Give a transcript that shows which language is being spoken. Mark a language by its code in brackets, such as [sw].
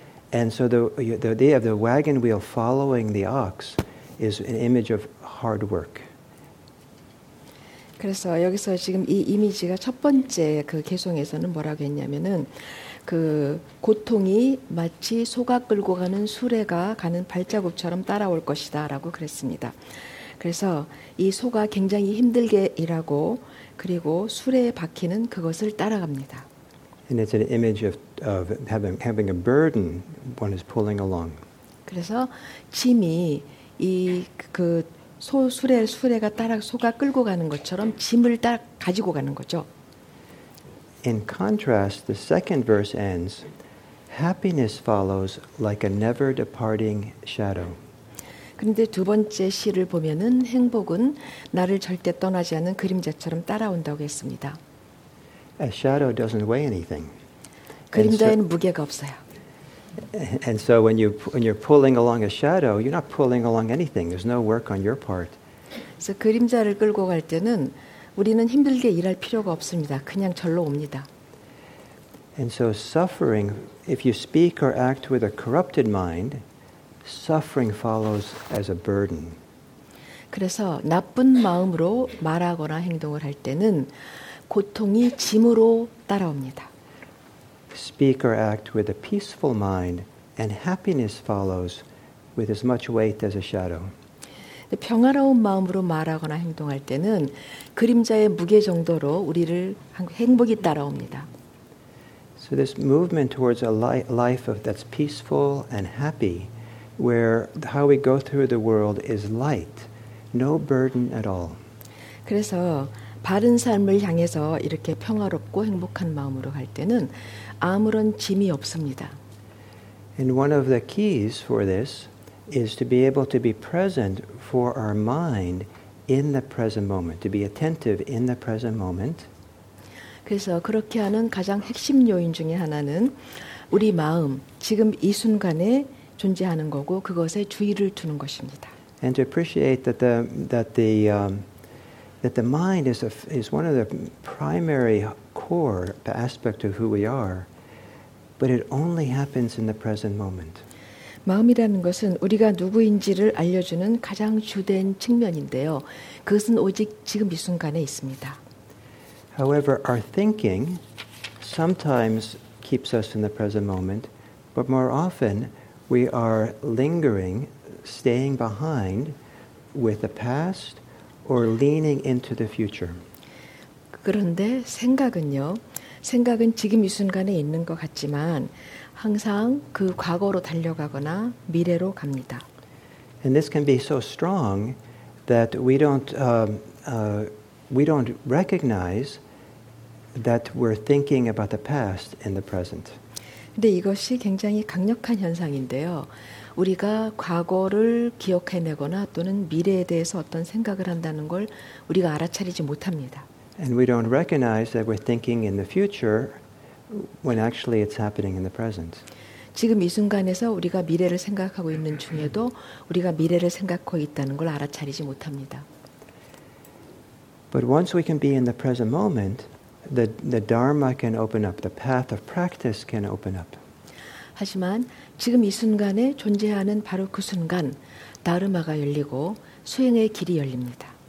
[en] And so the idea of the wagon wheel following the ox is an image of hard work. [ko] 그래서 여기서 지금 이 이미지가 첫 번째 그 개송에서는 뭐라고 했냐면은 그 고통이 마치 소가 끌고 가는 수레가 가는 발자국처럼 따라올 것이다 라고 그랬습니다. 그래서 이 소가 굉장히 힘들게 일하고 그리고 수레에 박히는 그것을 따라갑니다. [en] And it's an image of having a burden one is pulling along. [ko] 그래서 짐이 이 그 소 수레가 따라 소가 끌고 가는 것처럼 짐을 딱 가지고 가는 거죠. [en] In contrast, the second verse ends, happiness follows like a never departing shadow. [ko] 그런데 두 번째 시를 보면은 행복은 나를 절대 떠나지 않는 그림자처럼 따라온다고 했습니다. [en] A shadow doesn't weigh anything. [ko] 그림자에는 무게가 없어요. [en] And so when you're pulling along a shadow, you're not pulling along anything. There's no work on your part. [ko] 그래서 그림자를 끌고 갈 때는 우리는 힘들게 일할 필요가 없습니다. 그냥 절로 옵니다. [en] And so suffering, if you speak or act with a corrupted mind, suffering follows as a burden. [ko] 그래서 나쁜 마음으로 말하거나 행동을 할 때는 고통이 짐으로 따라옵니다. [en] Speak or act with a peaceful mind and happiness follows with as much weight as a shadow. [ko] 평화로운 마음으로 말하거나 행동할 때는 그림자의 무게 정도로 우리를 행복이 따라옵니다. [en] So this movement towards a life of that's peaceful and happy where how we go through the world is light, no burden at all. [ko] 그래서 바른 삶을 향해서 이렇게 평화롭고 행복한 마음으로 갈 때는 아무런 짐이 없습니다. [en] And one of the keys for this is to be able to be present for our mind in the present moment, to be attentive in the present moment. [ko] 그래서 그렇게 하는 가장 핵심 요인 중에 하나는 우리 마음, 지금 이 순간에 존재하는 거고 그것에 주의를 두는 것입니다. [en] And to appreciate that the mind is one of the primary core aspect of who we are, but it only happens in the present moment. [ko] 마음이라는 것은 우리가 누구인지를 알려주는 가장 주된 측면인데요. 그것은 오직 지금 이 순간에 있습니다. [en] However, our thinking sometimes keeps us in the present moment, but more often we are lingering, staying behind with the past or leaning into the future. [ko] 그런데 생각은요. 생각은 지금 이 순간에 있는 것 같지만 항상 그 과거로 달려가거나 미래로 갑니다. [en] And this can be so strong that we don't recognize that we're thinking about the past and the present. [ko] 근데 이것이 굉장히 강력한 현상인데요. 우리가 과거를 기억해내거나 또는 미래에 대해서 어떤 생각을 한다는 걸 우리가 알아차리지 못합니다. [en] And we don't recognize that we're thinking in the future when actually it's happening in the present. [ko] 지금 이 순간에서 우리가 미래를 생각하고 있는 중에도 우리가 미래를 생각하고 있다는 걸 알아차리지 못합니다. [en] But once we can be in the present moment, the Dharma can open up, the path of practice can open up. [ko] 하지만 지금 이 순간에 존재하는 바로 그 순간, 다르마가 열리고 수행의 길이 열립니다.